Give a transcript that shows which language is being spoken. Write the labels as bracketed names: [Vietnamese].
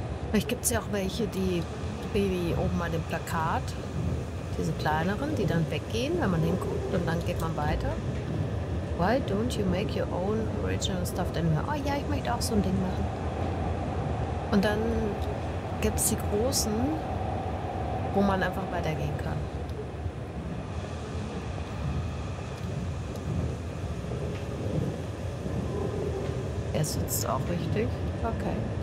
[German] Vielleicht gibt es ja auch welche, die wie oben an dem Plakat, diese kleineren, die dann weggehen, wenn man hinguckt und dann geht man weiter. [English] Why don't you make your own original stuff anymore? [German] Oh ja, ich möchte auch so ein Ding machen. Und dann gibt es die großen, wo man einfach weitergehen kann. Er sitzt auch richtig. Okay.